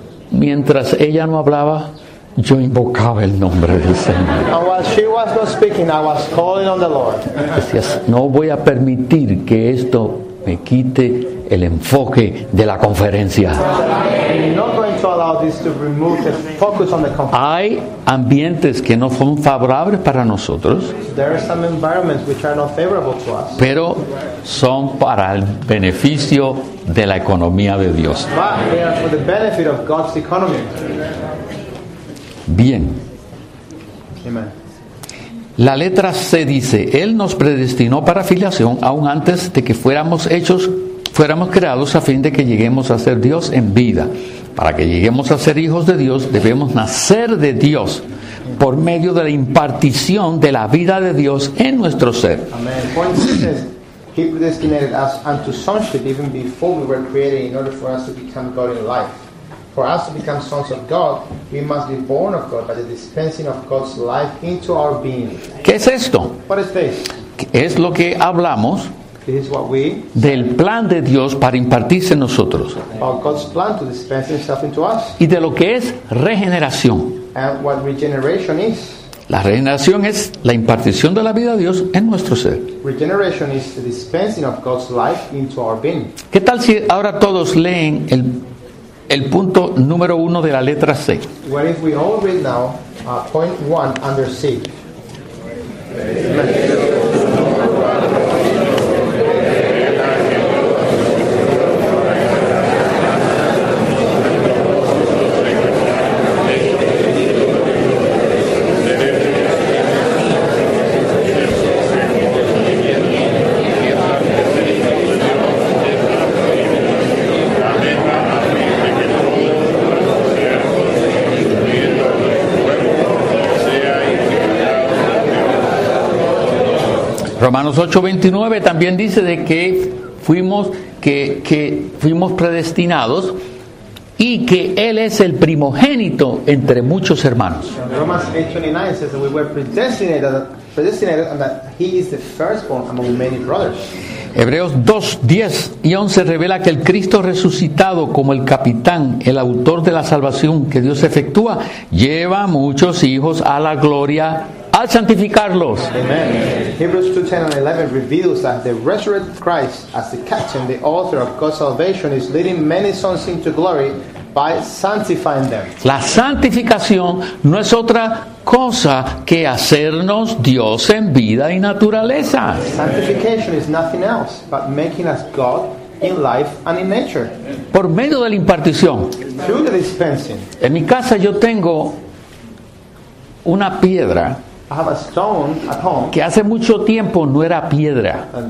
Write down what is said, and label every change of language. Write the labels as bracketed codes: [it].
[es] Mientras ella no hablaba, yo invocaba el nombre del Señor. [en] And while she was not speaking, I was calling on the Lord. [es] Decía, no voy a permitir que esto me quite el enfoque de la conferencia. [en] I'm not going to allow this to remove the focus on the conference. [es] Hay ambientes que no son favorables para nosotros. [en] There are some environments which are not favorable to us. [es] Pero son para el beneficio de la economía de Dios. [en] But they are for the benefit of God's economy. [es] Bien. [en] Amen. [es] La letra C dice, Él nos predestinó para filiación aún antes de que fuéramos creados a fin de que lleguemos a ser Dios en vida. Para que lleguemos a ser hijos de Dios, debemos nacer de Dios por medio de la impartición de la vida de Dios en nuestro ser. [en] Amen. Point C says, He predestinated us unto sonship even before we were created in order for us to become God in life. For us to become sons of God, we must be born of God by the dispensing of God's life into our being. [es] ¿Qué es esto? [en] What is this? [es] Es lo que hablamos. [en] This is what we, [es] del plan de Dios para impartirse en nosotros. [en] About God's plan to dispense himself into us. [es] Y de lo que es regeneración. [en] And what regeneration is. [es] La regeneración es la impartición de la vida de Dios en nuestro ser. [en] Regeneration is the dispensing of God's life into our being. [es] ¿Qué tal si ahora todos leen el punto número uno de la letra C? [en] What if we all read now point one under C? Thank you. [es] Romanos 8:29 también dice de que fuimos predestinados y que Él es el primogénito entre muchos hermanos. [en] Romans 8:29 says that we were predestinated and that He is the firstborn among many brothers. [es] Hebreos 2, 10 y 11 revela que el Cristo resucitado como el capitán, el autor de la salvación que Dios efectúa, lleva muchos hijos a la gloria al santificarlos. Amen. [en] Hebrews 2, 10 and 11 reveals that the resurrected Christ as the captain, the author of God's salvation, is leading many sons into glory by sanctifying them. [es] La santificación no es otra cosa que hacernos Dios en vida y naturaleza. [en] Sanctification is nothing else but making us God in life and in nature. [es] Por medio de la impartición. [en] Through the dispensing. [es] En mi casa yo tengo una piedra. [en] I have a stone at home. [es] Que hace mucho tiempo no era piedra.